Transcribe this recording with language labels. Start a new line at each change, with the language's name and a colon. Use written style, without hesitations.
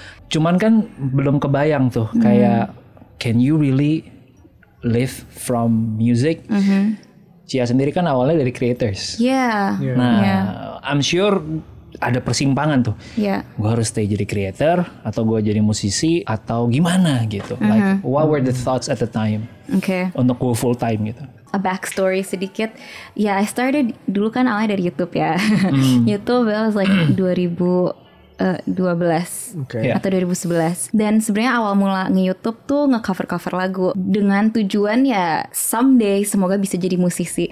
Indonesian: Cuman kan belum kebayang tuh kayak
English: can you really live from music?
Indonesian: Cia sendiri kan awalnya dari creators.
English: I'm sure
Indonesian: ada persimpangan tuh. Gue harus stay jadi creator atau gue jadi musisi atau gimana gitu.
English: Like what were the thoughts at the time?
Indonesian: Untuk gue full time gitu. A backstory sedikit.
English: I started
Indonesian: dulu kan awalnya dari YouTube ya. YouTube
English: was like
Indonesian: 2012 atau 2011. Dan sebenarnya awal mula nge-YouTube tuh nge-cover-cover lagu dengan tujuan ya someday semoga bisa jadi musisi.